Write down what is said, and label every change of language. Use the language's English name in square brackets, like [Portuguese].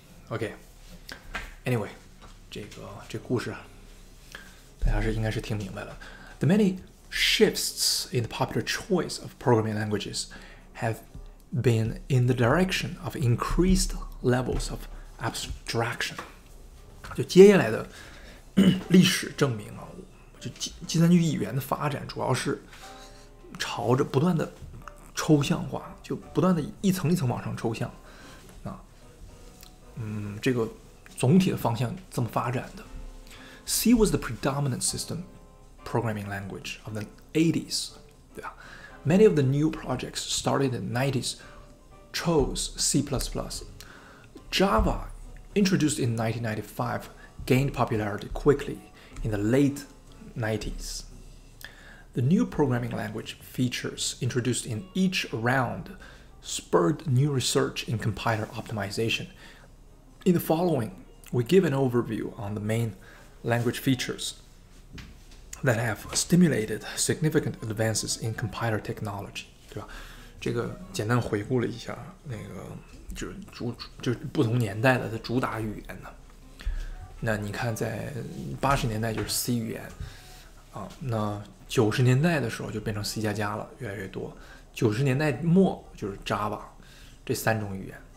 [English] Okay. Anyway, [Chinese] 这故事大家是应该是听明白了。 [English] The many shifts in the popular choice of programming languages have been in the direction of increased levels of abstraction. [Chinese] 就接下来的历史证明啊，就计算机语言的发展主要是朝着不断的抽象化，就不断的一层一层往上抽象啊。这个总体的方向这么发展的。 [English] C was the predominant system programming language of the 80s, [Chinese] 对吧？ [English] Many of the new projects started in the 90s. Chose C++. Java, introduced in 1995, gained popularity quickly in the late 90s. The new programming language features introduced in each round spurred new research in compiler optimization. In the following, we give an overview on the main language features that have stimulated significant advances in compiler technology. [Chinese] 对吧？这个简单回顾了一下，那个就不同年代的主打语言呢。那你看，在80年代就是 C 语言啊，那90年代的时候就变成 C 加加了，越来越多。 90年代末就是 Java， 这三种语言。